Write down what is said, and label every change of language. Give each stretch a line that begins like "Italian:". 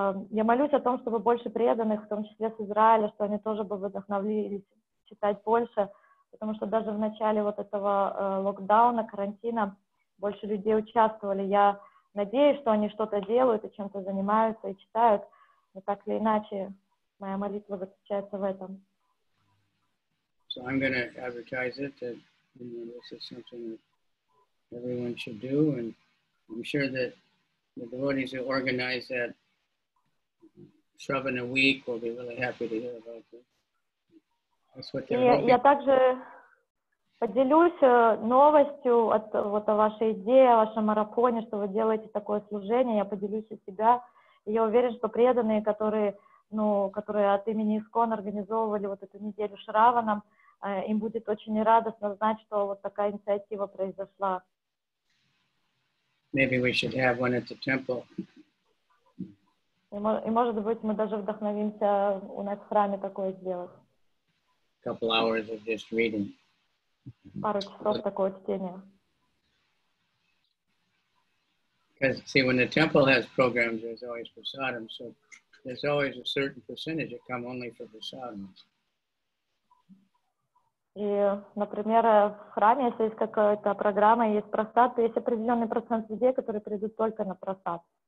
Russian: я молюсь о том, чтобы больше преданных, в том числе с Израиля, что они тоже бы вдохновились читать больше. Потому что даже в начале вот этого локдауна, карантина, больше людей участвовали. Я надеюсь, что они что-то делают и чем-то занимаются и читают. Но так или иначе, моя молитва заключается в этом.
English: So I'm going to advertise it that, you know, this is something that everyone should do. And I'm sure that the devotees who organize that Shravana week will be really happy to hear about this.
Russian: И я также поделюсь новостью о вашей идее, о вашем марафоне, что вы делаете такое служение. Я поделюсь у себя. И я уверен, что преданные, которые от имени ИСКОН организовывали вот эту неделю Шраванам, им будет очень радостно знать, что вот такая инициатива произошла.
English: Maybe we should have one at the temple.
Russian: И может быть, мы даже вдохновимся у нас в храме такое сделать.
English: Couple hours of just reading.
Russian: Пару часов такого чтения.
English: Because see, when the temple has programs, there's always prasadam, so there's always a certain percentage that come only for prasadam.
Russian: И, например, в храме, если есть какая-то программа, есть прасад, то есть определенный процент людей, которые придут только на прасад.